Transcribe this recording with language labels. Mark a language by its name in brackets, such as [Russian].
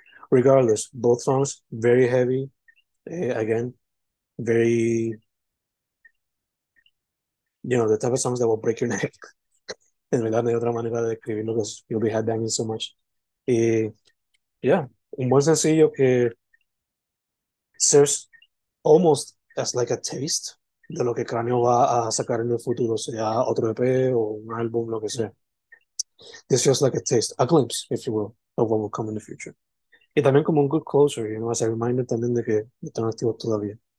[English] Regardless, both songs very heavy, again, very, the type of songs that will break your neck. [Spanish] En verdad, no hay otra manera de describirlo [English] because you'll be headbanging so much. [Spanish] Y, un buen sencillo que [English] serves almost as like a taste [Spanish] de lo que Kranio va a sacar en el futuro, sea otro EP o un álbum, lo que sea. [English] This feels like a taste, a glimpse, if you will, of what will come in the future. [Spanish] Y también como un [English] good closure, as a reminder [Spanish] también de que están activos todavía.